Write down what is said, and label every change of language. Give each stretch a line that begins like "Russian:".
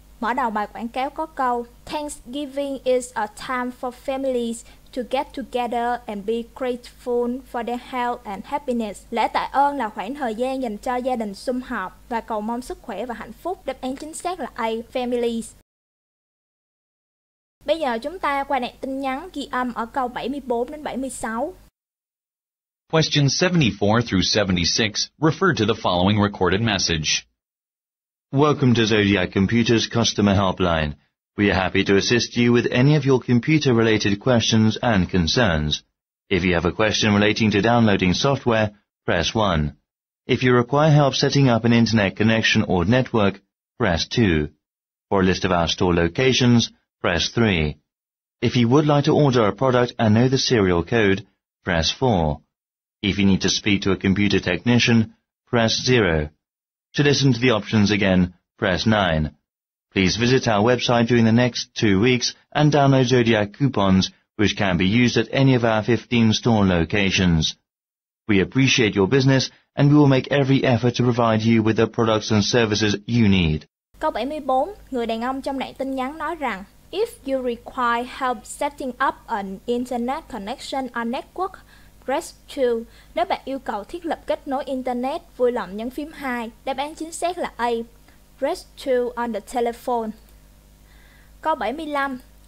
Vietnamese: Mở đầu bài quảng cáo có câu
English: Thanksgiving is a time for families to get together and be grateful for their health and happiness.
Vietnamese: Lễ tạ ơn là khoảng thời gian dành cho gia đình sum họp và cầu mong sức khỏe và hạnh phúc. Đáp án chính xác là A, families. Bây giờ chúng ta qua đoạn tin nhắn ghi âm ở câu 74 đến 76.
English: Questions 74 through 76 refer to the following recorded message. Welcome to Zodiac Computer's customer helpline. We are happy to assist you with any of your computer-related questions and concerns. If you have a question relating to downloading software, press 1. If you require help setting up an internet connection or network, press 2. For a list of our store locations, press 3. If you would like to order a product and know the serial code, press 4. If you need to speak to a computer technician, press 0. To listen to the options again, press 9. Please visit our website during the next 2 weeks and download Zodiac coupons, which can be used at any of our 15 store locations. We appreciate your business and we will make every effort to provide you with the products and services you need.
Vietnamese: Câu 74, người đàn ông trong đoạn tin nhắn nói rằng
English: If you require help setting up an internet connection or network, Rescue.
Vietnamese: Nếu bạn yêu cầu thiết lập kết nối Internet, vui lòng nhấn phím 2. Đáp án chính xác là A.
English: Rescue on the telephone.
Vietnamese: Câu 75.